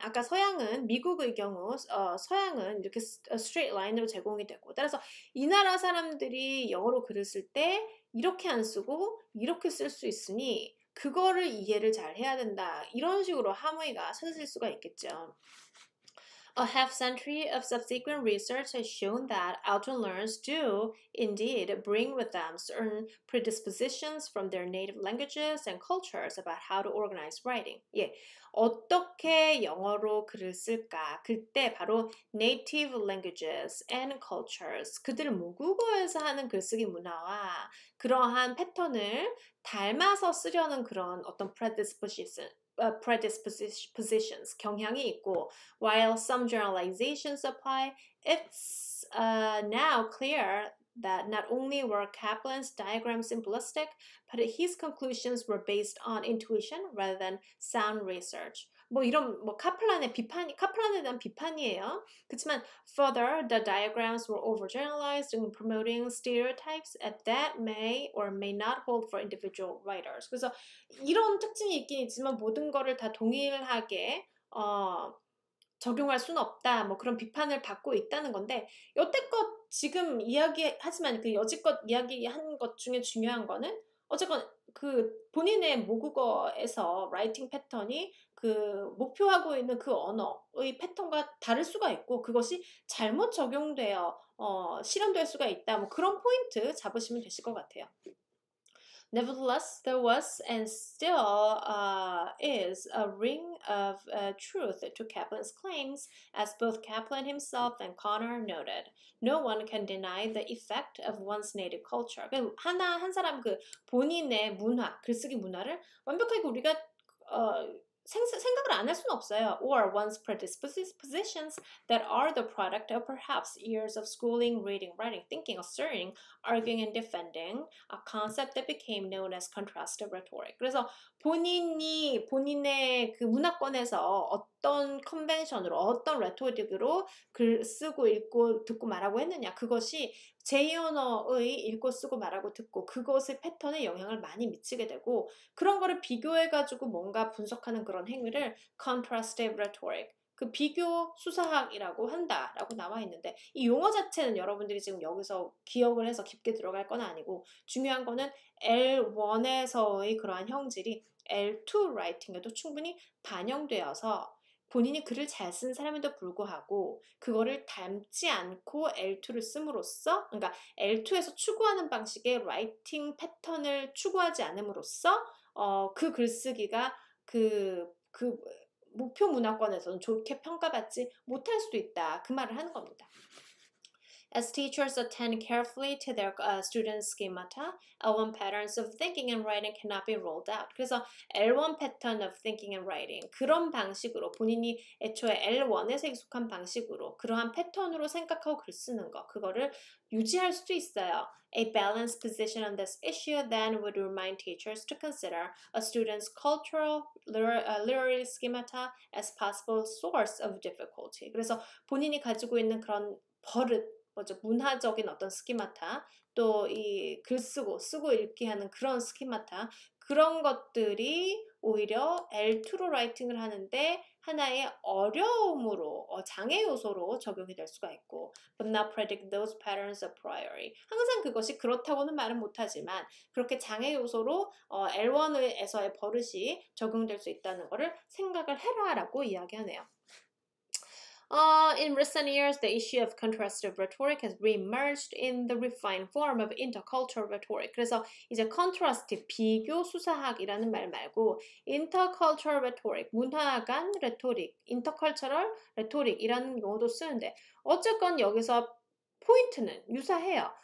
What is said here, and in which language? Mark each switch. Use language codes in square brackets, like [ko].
[ko] 아까 서양은 미국의 경우 서양은 이렇게 [en] straight line [ko] 으로 제공이 되고 따라서 이 나라 사람들이 영어로 글을 쓸때 이렇게 안 쓰고 이렇게 쓸수 있으니 그거를 이해를 잘 해야 된다. 이런 식으로 함의가 찾아질 수가 있겠죠. [en] A half century of subsequent research has shown that outward learners do indeed bring with them certain predispositions from their native languages and cultures about how to organize writing. [ko] 예. 어떻게 영어로 글을 쓸까? 그때 바로 [en] native languages and cultures. [ko] 그들 모국어에서 하는 글쓰기 문화와 그러한 패턴을 닮아서 쓰려는 그런 어떤 predisposition. [en] Predispositions, [ko] 경향이 있고, [en] while some generalizations apply, it's now clear that not only were Kaplan's diagrams simplistic, but his conclusions were based on intuition rather than sound research. [ko] 뭐 이런 뭐 카플란에 대한 비판이에요. 그렇지만 [en] further, the diagrams were overgeneralized in promoting stereotypes that may or may not hold for individual writers. [ko] 그래서 이런 특징이 있긴 있지만 모든 거를 다 동일하게 적용할 수는 없다. 뭐 그런 비판을 받고 있다는 건데 여태껏 지금 이야기하지만 그 여지껏 이야기한 것 중에 중요한 거는 어쨌건 그 본인의 모국어에서 라이팅 패턴이 그 목표하고 있는 그 언어의 패턴과 다를 수가 있고 그것이 잘못 적용되어 실현될 수가 있다. 뭐 그런 포인트 잡으시면 되실 것 같아요. [en] Nevertheless, there was and still is a ring of truth to Kaplan's claims, as both Kaplan himself and Connor noted. No one can deny the effect of one's native culture. [ko] 하나 한 사람 그 본인의 문화, 글쓰기 문화를 완벽하게 우리가 생각을 안할 수는 없어요. [en] Or one's predispositions that are the product of perhaps years of schooling, reading, writing, thinking, asserting, arguing, and defending a concept that became known as contrastive rhetoric. [ko] 그래서 본인의 그 문화권에서 어떤 컨벤션으로, 어떤 레토릭으로 글 쓰고 읽고 듣고 말하고 했느냐. 그것이 제2 언어의 읽고 쓰고 말하고 듣고 그것의 패턴에 영향을 많이 미치게 되고 그런 거를 비교해가지고 뭔가 분석하는 그런 행위를 contrastive rhetoric, 그 비교 수사학이라고 한다라고 나와 있는데 이 용어 자체는 여러분들이 지금 여기서 기억을 해서 깊게 들어갈 건 아니고 중요한 거는 L1에서의 그러한 형질이 L2 라이팅에도 충분히 반영되어서 본인이 글을 잘쓴 사람에도 불구하고 그거를 닮지 않고 L2를 씀으로써 그러니까 L2에서 추구하는 방식의 라이팅 패턴을 추구하지 않음으로써 그 글쓰기가 그 목표 문화권에서는 좋게 평가받지 못할 수도 있다. 그 말을 하는 겁니다. [en] As teachers attend carefully to their students' schemata, L1 patterns of thinking and writing cannot be ruled out. [ko] 그래서 [en] L1 pattern of thinking and writing, [ko] 그런 방식으로 본인이 애초에 L1에서 익숙한 방식으로 그러한 패턴으로 생각하고 글 쓰는 거, 그거를 유지할 수도 있어요. [en] A balanced position on this issue then would remind teachers to consider a student's cultural literary schemata as possible source of difficulty. [ko] 그래서 본인이 가지고 있는 그런 버릇, 먼저 문화적인 어떤 스키마타, 또이글 쓰고 읽기 하는 그런 스키마타, 그런 것들이 오히려 L2로 라이팅을 하는데 하나의 어려움으로, 장애 요소로 적용이 될 수가 있고, [en] but not predict those patterns a priori. [ko] 항상 그것이 그렇다고는 말은 못하지만, 그렇게 장애 요소로 L1에서의 버릇이 적용될 수 있다는 것을 생각을 해라라고 이야기하네요. [en] In recent years, the issue of contrastive rhetoric has re-emerged in the refined form of intercultural rhetoric. [ko] 그래서 이제 contrastive, 비교 수사학이라는 말 말고 intercultural rhetoric, 문화 간 rhetoric, intercultural rhetoric이라는 용어도 쓰는데 어쨌건 여기서 포인트는 유사해요.